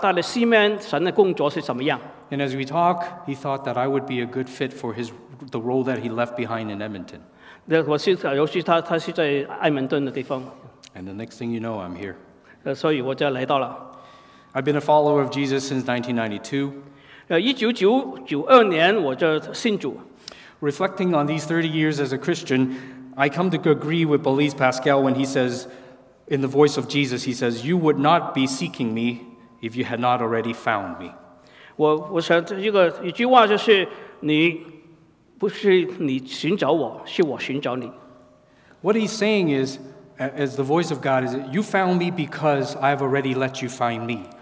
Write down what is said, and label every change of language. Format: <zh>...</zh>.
<zh>我就只需要看他，问他这个加拿大的西面神的工作是怎么样。</zh> <en>And as we talk, he thought that I would be a good fit for the role that he left behind in Edmonton.</en> <zh>尤其他是在埃蒙顿的地方。</zh> <en>And the next thing you know, I'm here.</en> <zh>所以我就来到了。</zh> <en>I've been a follower of Jesus since 1992.</en> <zh>1992年我就信主。</zh> <en>Reflecting on these 30 years as a Christian, I come to agree with Blaise Pascal when he says, in the voice of Jesus, he says, you would not be seeking me if you had not already found me.</en> <zh>我想这一句话就是，你不是你寻找我，是我寻找你。</zh> <en>What he's saying is, as the voice of God, is you found me because I have already let you find me.</en>